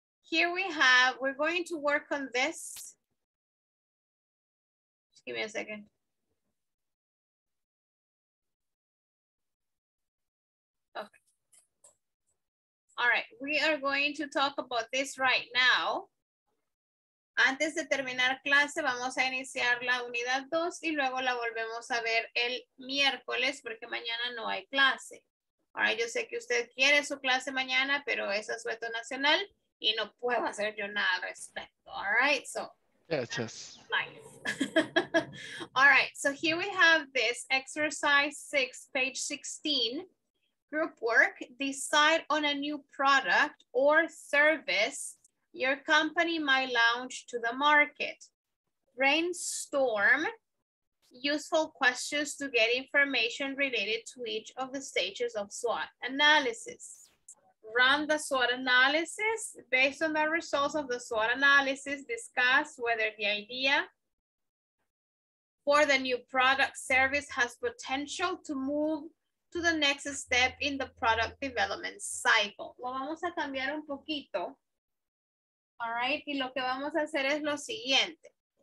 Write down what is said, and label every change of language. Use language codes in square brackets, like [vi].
[en] Here we have, we're going to work on this. Just give me a second. Okay. All All right, we are going to talk about this right now. [es] Antes de terminar clase, vamos a iniciar la unidad 2 y luego la volvemos a ver el miércoles porque mañana no hay clase. [en] All right, [es] yo sé que usted quiere su clase mañana, pero es asueto nacional y no puedo hacer yo nada al respecto. [en] All right, so. Yeah, just. Nice. All right, so here we have this exercise 6, page 16. Group work, decide on a new product or service your company might launch to the market. Brainstorm useful questions to get information related to each of the stages of SWOT analysis. Run the SWOT analysis. Based on the results of the SWOT analysis, discuss whether the idea for the new product service has potential to move to the next step in the product development cycle. [es] Lo vamos a cambiar un poquito. [en] All right, [es] y lo que vamos a hacer es lo siguiente.